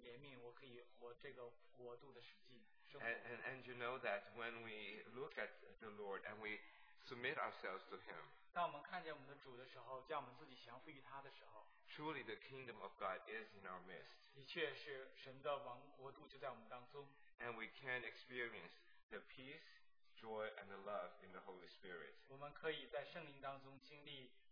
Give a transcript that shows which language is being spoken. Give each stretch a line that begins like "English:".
Chinese: 我真的是愿靠着主的恩典怜悯，我可以活这个国度的实际。
English: And you know that when we look at the Lord and we submit ourselves to Him.
Chinese: 当我们看见我们的主的时候，将我们自己降服于他的时候。
English: Truly, the kingdom of God is in our midst.
Chinese: 的确是神的王国度就在我们当中。
English: And we can experience the peace, joy, and the love in the Holy Spirit.
Chinese: 我们可以在圣灵当中经历。